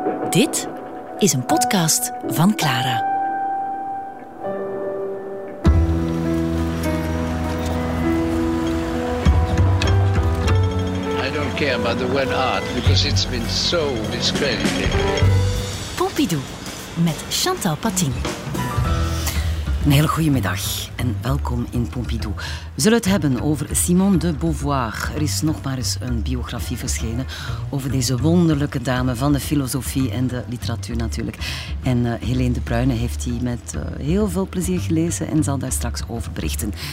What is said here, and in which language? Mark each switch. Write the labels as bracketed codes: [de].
[nl] Dit is een podcast van Clara. [en] I don't care about the word art because it's been so discredited. [nl] Pompidou met Chantal Patin. Een hele goede middag en welkom in Pompidou. We zullen het hebben over Simone de Beauvoir. Er is nog maar eens een biografie verschenen over deze wonderlijke dame van de filosofie en de literatuur natuurlijk. En Helene de Bruyne heeft die met heel veel plezier gelezen en zal daar straks over berichten.